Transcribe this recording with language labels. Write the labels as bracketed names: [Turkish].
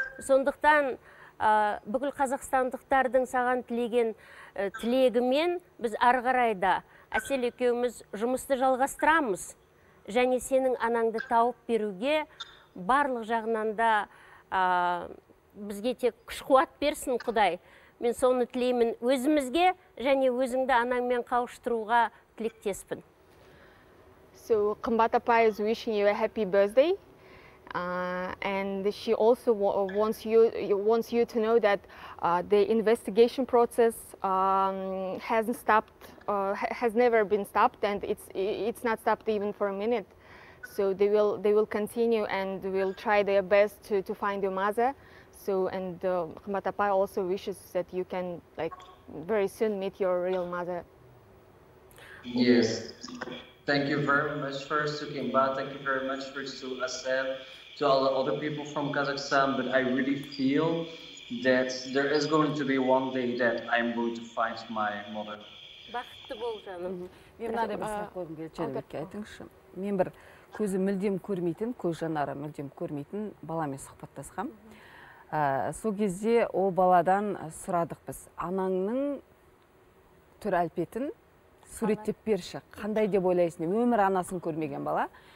[Kazakh] Сондықтан бүкіл қазақстандықтардың саған тілеген тілегімен біз ары қарай да Әсел екеуміз жұмысты жалғастырамыз. Және сенің анаңды тауып беруге барлық жағынан да бізге тек күш-қуат берсін Құдай. Мен соны тілеймін өзімізге, және өзіңді анаңмен қауыштыруға тілектеспін. [English] So, Қымбат апай is wishing you a happy birthday. And she also wants you to know that the investigation process has never been stopped, and it's not stopped even for a minute. So they will continue and will try their best to find your mother. Қымбат апай also wishes that you can like very soon meet your real mother. Yes. Thank you very much first to Қымбат. Thank you very much first to Асел, to all the other people from Kazakhstan. But I really feel that there is going to be one day that I'm going to find my mother. [Kazakh] Бақытты бол жаным. Мен мынадай бір сұрақ қойғым келеді, Жәнібекке айтыңызшы. Мен бір көзі мүлдем көрмейтін, көз жанары мүлдем көрмейтін баламен сұхбаттасқам. Сол кезде ол баладан сұрадық біз, анаңның түр әлпетін суреттеп берші, қандай деп ойлайсың, өмір анасын көрмеген бала.